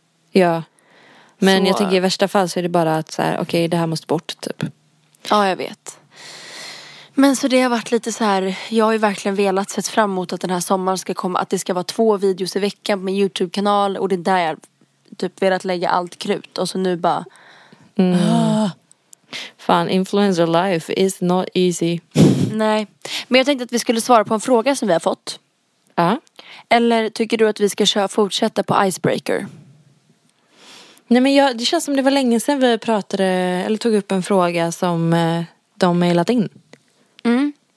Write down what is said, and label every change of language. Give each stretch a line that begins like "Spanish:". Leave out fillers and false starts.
Swedish: Ja, men så... jag tänker i värsta fall så är det bara att så här, okej, det här måste bort typ. Ja, jag vet. Men så det har varit lite så här, jag har ju verkligen velat sett fram emot att den här sommaren ska komma, att det ska vara två videos i veckan på min YouTube-kanal, och det är där jag typ velat lägga allt krut, och så nu bara...
English: Fan, influencer life is not easy.
Swedish: Nej, men jag tänkte att vi skulle svara på en fråga som vi har fått. Ja. Eller tycker du att vi ska fortsätta på Icebreaker? Nej, men jag, det känns som det var länge sedan vi pratade, eller tog upp en fråga som de mailat in. Mm.